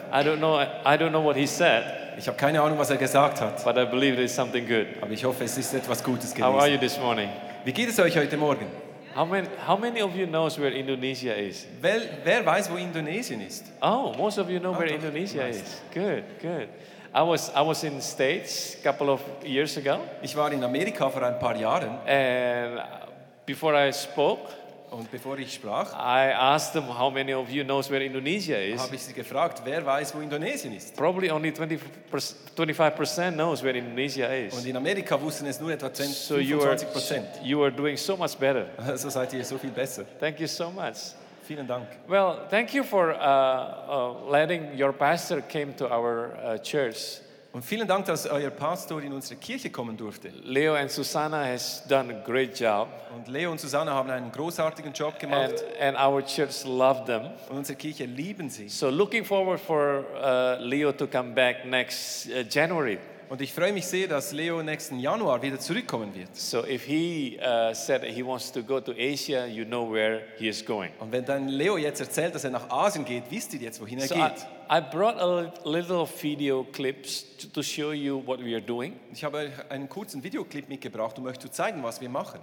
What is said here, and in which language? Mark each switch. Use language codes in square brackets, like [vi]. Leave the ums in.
[en] I don't know, I don't know what he said. [de] Ich habe keine Ahnung, was er gesagt hat. [en] But I believe it is something good. [de] Aber ich hoffe, es ist etwas Gutes gewesen. [en] How are you this morning? [de] Wie geht es euch heute Morgen? [en] How many, how many of you knows where Indonesia is? Well, where [de] weiß wo Indonesien ist? [en] Oh, most of you know where oh, Indonesia nice. is. Good, good. I was, I was in the States a couple of years ago. [de] Ich war in Amerika vor ein paar Jahren. [en] And before I spoke I asked them how many of you knows where Indonesia is. [de] Habe ich sie gefragt, wer weiß, wo Indonesien ist? [en] Probably only 20, 25% knows where Indonesia is. [de] Und in Amerika wussten es nur etwa 20, so 25%. [en] You are, you are doing so much better. [de] so seid ihr so viel besser. [en] Thank you so much. [de] Vielen Dank. [en] Well, thank you for uh, uh, letting your pastor came to our uh, church. [de] Und vielen Dank, dass euer Pastor in unsere Kirche kommen durfte. [en] Leo and Susanna has done a great job. [de] Und Leo und Susanna haben einen großartigen Job gemacht. [en] And, and our church loved them. [de] Und unsere Kirche lieben sie. [en] So looking forward for uh, Leo to come back next uh, January. [de] Und ich freue mich sehr, dass Leo nächsten Januar wieder zurückkommen wird. [en] So if he uh, said he wants to go to Asia, you know where he is going. [de] Und wenn dann Leo so jetzt erzählt, dass er nach Asien geht, wisst ihr jetzt, wohin er geht. [en] I, I brought a little video clips to, to show you what we are doing. [de] Ich habe einen kurzen Videoclip mitgebracht, um euch zu zeigen, was wir machen.